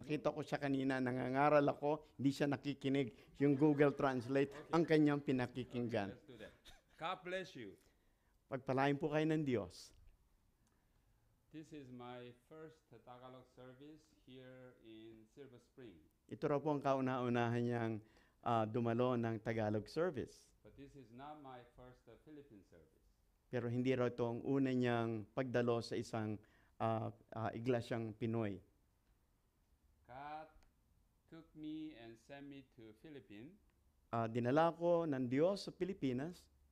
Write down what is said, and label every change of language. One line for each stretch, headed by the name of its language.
Filipino: Nakita ko siya kanina, nangangaral ako, hindi siya nakikinig yung Google Translate, okay. Ang kanyang pinakikinggan.
English: Okay, let's do that. God bless you.
Filipino: Pagpalain po kayo ng Diyos.
English: This is my first Tagalog service here in Silver Spring.
Filipino: Ito raw po ang kauna-unahan niyang dumalo ng Tagalog service.
English: But this is not my first Philippine service.
Filipino: Pero hindi raw ito ang una niyang pagdalo sa isang iglesyang Pinoy.
English: God took me and sent me to Philippines.
Filipino: Dinala ko ng Diyos sa Pilipinas.